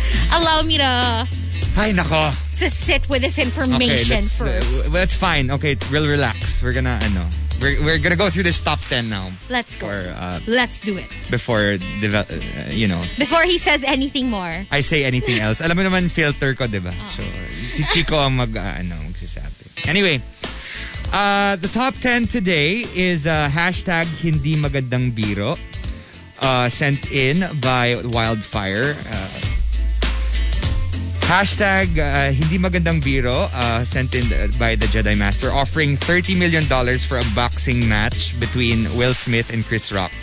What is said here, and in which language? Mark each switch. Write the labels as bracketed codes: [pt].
[en] Allow me to... [tl] Ay, nako. [en] To sit with this information okay, first. That's fine. Okay, we'll relax. We're gonna, [tl] ano. [en] We're gonna go through this top 10 now. Let's go. Let's do it. Before, you know. Before he says anything more. I say anything else. [tl] Alam mo naman filter ko, diba? Oh. So, si Chico ang magsasabi. [en] Anyway, the top 10 today is hashtag hindi magandang biro sent in by Wildfire. Hashtag hindi magandang biro sent in by the Jedi Master offering $30 million for a boxing match between Will Smith and Chris Rock.